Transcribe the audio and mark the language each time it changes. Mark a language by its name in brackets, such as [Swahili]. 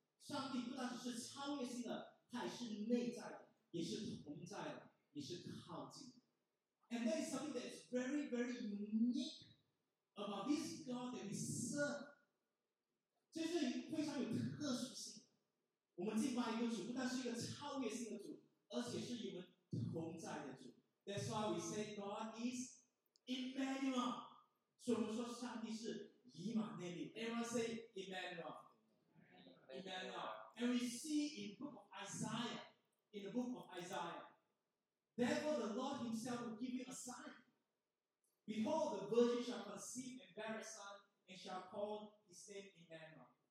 [Chinese] 上帝不但是超越性的，他也是内在的，也是同在的，也是靠近的。 [English] And that is something that is very, very unique about this God that we serve. [Chinese] 这是非常有特殊性。我们敬拜一个主，不但是一个超越性的主，而且是与我们同在的主。 [English] That's why we say God is Emmanuel. [Chinese] 所以我们说上帝是以马内利。 [English] Everyone say Emmanuel. Emmanuel. And we see in the book of Isaiah, in the book of Isaiah, Therefore the Lord himself will give you a sign. Behold, the virgin shall conceive and bear a son, and shall call his name Emmanuel.